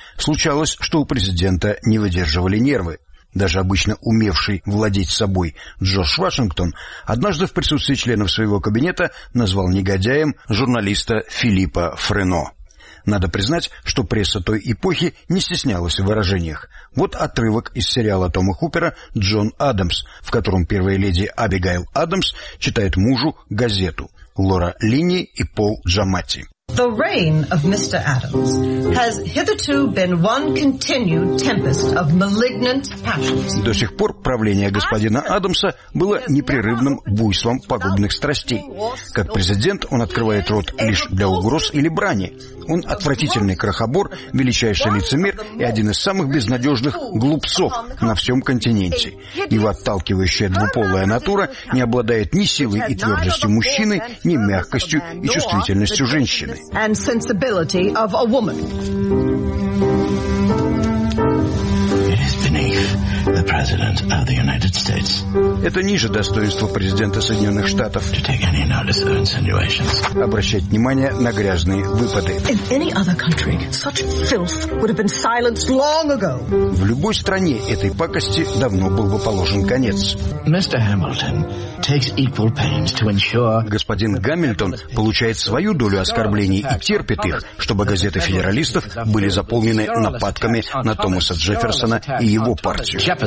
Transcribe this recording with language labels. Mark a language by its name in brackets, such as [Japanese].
[Russian] Случалось, что у президента не выдерживали нервы. Даже обычно умевший владеть собой Джордж Вашингтон однажды в присутствии членов своего кабинета назвал негодяем журналиста Филиппа Френо. Надо признать, что пресса той эпохи не стеснялась в выражениях. Вот отрывок из сериала Тома Хупера «Джон Адамс», в котором первая леди Абигейл Адамс читает мужу газету Лора Линни и Пол Джаматти. [English] The reign of Mr. Adams has hitherto been one continued tempest of malignant passions. [Russian] До сих пор правление господина Адамса было непрерывным буйством пагубных страстей. Как президент, он открывает рот лишь для угроз или брани. Он отвратительный крохобор, величайший лицемер и один из самых безнадежных глупцов на всем континенте. Его отталкивающая двуполая натура не обладает ни силой и твердостью мужчины, ни мягкостью и чувствительностью женщины. [English] And sensibility of a woman. It is beneath the President of the United States. [Russian] Это ниже достоинства президента Соединенных Штатов. [English] To take any notice of insinuations. [Russian] Обращать внимание на грязные выпады. [English] In any other country, such filth would have been silenced long ago. [Russian] В любой стране этой пакости давно был бы положен конец. [English] Mr. Hamilton takes equal pains to ensure. [Russian] Господин Гамильтон получает свою долю оскорблений и терпит их, чтобы газеты федералистов были заполнены нападками на Томаса Джефферсона и его партию.